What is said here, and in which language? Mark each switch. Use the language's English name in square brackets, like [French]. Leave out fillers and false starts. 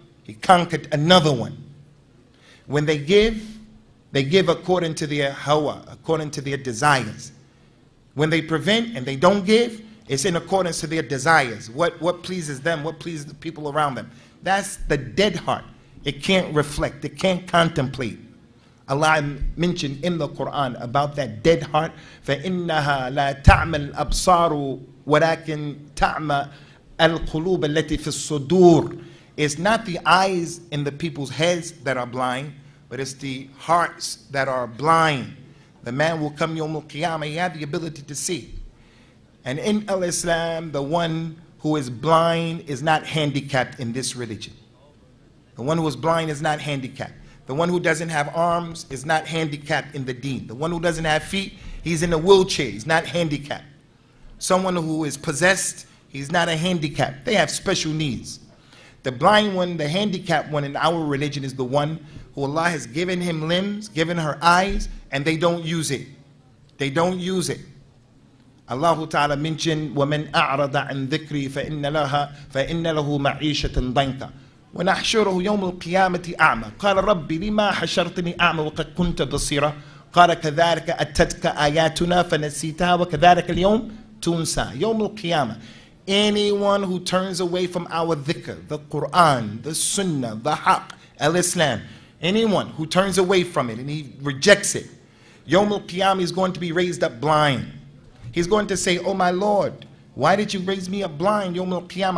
[English] He conquered another one. When they give according to their hawa, according to their desires. When they prevent and they don't give, it's in accordance to their desires. What pleases them, what pleases the people around them. That's the dead heart. It can't reflect, it can't contemplate. Allah mentioned in the Quran about that dead heart, [Arabic] فَإِنَّهَا لَا تَعْمَ الْأَبْصَارُ وَلَكِنْ تَعْمَ الْقُلُوبَ الَّتِي فِي الصُّدُورِ. [English] It's not the eyes in the people's heads that are blind, but it's the hearts that are blind. The man will come Yawm al-Qiyamah, he had the ability to see. And in al-Islam, the one who is blind is not handicapped in this religion. The one who is blind is not handicapped. The one who doesn't have arms is not handicapped in the deen. The one who doesn't have feet, he's in a wheelchair, he's not handicapped. Someone who is possessed, he's not a handicap. They have special needs. The blind one, the handicapped one in our religion is the one who Allah has given him limbs, given her eyes, and they don't use it. They don't use it. Allah Ta'ala mentioned, [Arabic] وَمَنْ أَعْرَضَ عَنْ ذِكْرِي فَإِنَّ لَهُ مَعِيشَةً ضَنْكًا وَنَحْشُرُهُ يَوْمُ الْقِيَامَةِ أَعْمَى قَالَ رَبِّ لِمَا حَشَرْتَنِي أَعْمَى وَقَدْ كُنْتَ بَصِيرًا قَالَ كَذَلِكَ أَتَتْكَ آيَاتُنَا فَنَسِيتَهَا وَكَذَلِكَ الْيَوْمَ تُنْسَى. يَوْمُ الْقِيَامَةِ. [English] Anyone who turns away from our dhikr, the Quran, the Sunnah, the Haqq, al-Islam, anyone who turns away from it and he rejects it, Yawm al-Qiyamah is going to be raised up blind. He's going to say, oh my Lord, why did you raise me up blind, Yawm al-Qiyamah?